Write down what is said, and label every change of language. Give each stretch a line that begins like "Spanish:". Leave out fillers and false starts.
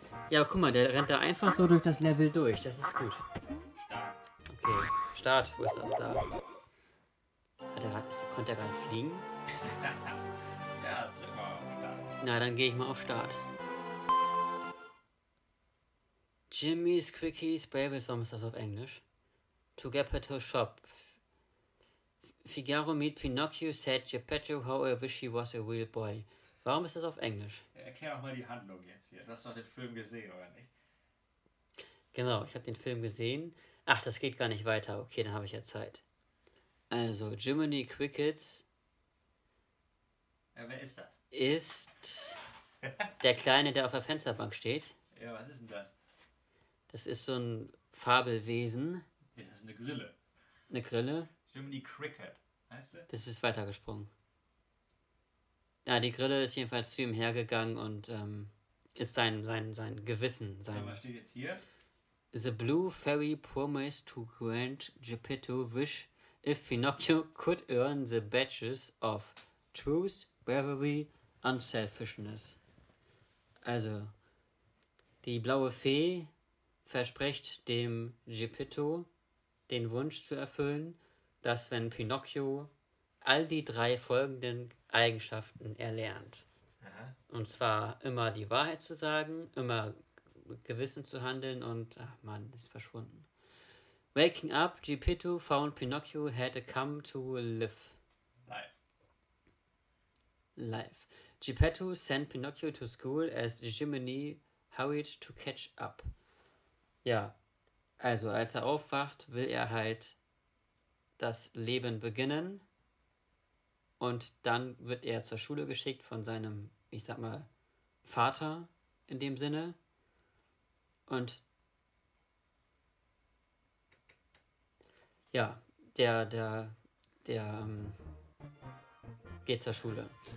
German: Ja, guck mal, der rennt da einfach so durch das Level durch. Das ist gut. Okay, Start, wo ist das da? Konnte der gerade fliegen? Ja, drück mal auf Start. Na, dann gehe ich mal auf Start. Jimmy's Quickies Babysome ist das auf Englisch.
English: To Geppetto Shop. Figaro meet Pinocchio said Geppetto how I wish he was a real boy.
German: Warum ist das auf Englisch? Erklär doch mal die Handlung jetzt hier. Du hast doch den Film gesehen, oder nicht? Genau, ich habe den Film gesehen. Ach, das geht gar nicht weiter. Okay, dann habe ich ja Zeit. Also, Jiminy Crickets Ja, wer ist das? ist der Kleine, der auf der Fensterbank steht. Ja, was ist denn das? Das ist so ein Fabelwesen. Ja, das ist eine Grille. Eine Grille. Jiminy Cricket, heißt der? Das ist weitergesprungen. Na, die Grille ist jedenfalls zu ihm hergegangen und ist sein Gewissen, Ja, was steht jetzt hier?
English: The Blue Fairy promised to grant Geppetto wish if Pinocchio could earn the badges of truth, bravery, unselfishness.
German: Also, die blaue Fee verspricht dem Geppetto den Wunsch zu erfüllen, dass wenn Pinocchio all die drei folgenden Eigenschaften erlernt, und zwar immer die Wahrheit zu sagen, immer mit Gewissen zu handeln und, ach Mann, ist verschwunden.
English: Waking up, Geppetto found Pinocchio had a come to live. Live. Geppetto sent Pinocchio to school as Jiminy hurried to catch up.
German: Ja, also als er aufwacht, will er halt das Leben beginnen. Und dann wird er zur Schule geschickt von seinem, ich sag mal, Vater in dem Sinne. Und ja, der geht zur Schule.